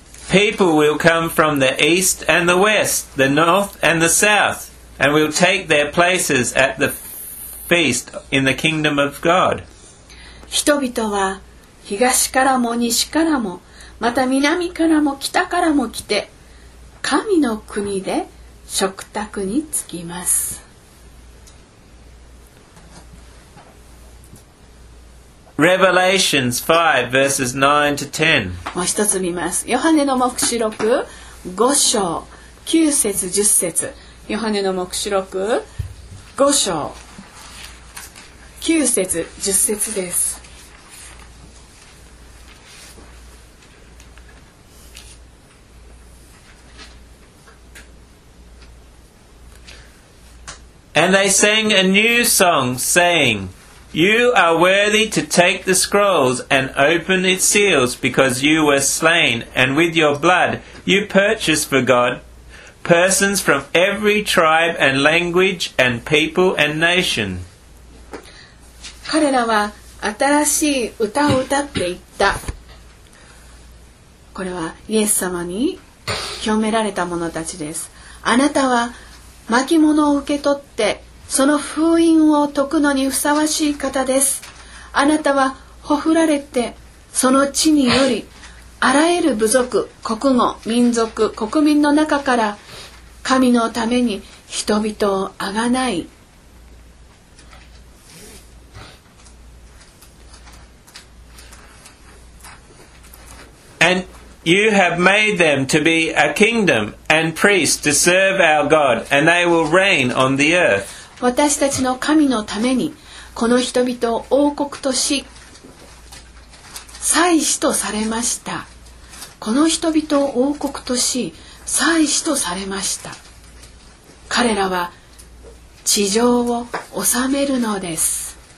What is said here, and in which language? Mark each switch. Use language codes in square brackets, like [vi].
[en] People will come from the east and the west, the north and the south, and will take their places at the feast in the kingdom of God. [ja] 人々は東からも西からも、また南からも北からも来て、神の国で食卓につきます。 [en] Revelation 5 verses 9 to 10. [ja] もう一つ見ます。ヨハネの黙示録5章9節10節。ヨハネの黙示録5章9節10節です。 [en] And they sang a new song saying,You are worthy to take the scrolls and open its seals because you were slain and with your blood you purchased for God persons from every tribe and language and people and nation. [ja] 彼らは新しい歌を歌っていった。これはイエス様に清められた者たちです。あなたは巻物を受け取ってその封印を解くのにふさわしい方です。あなたはほふられて、その地により、あらゆる部族、国語、民族、国民の中から、神のために人々をあがない。 [en] And you have made them to be a kingdom and priests to serve our God, and they will reign on the earth. [ja] 私たちの神のためにこの人々を王国とし祭司とされました。この人々を王国とし祭司とされました。彼らは地上を治めるのです。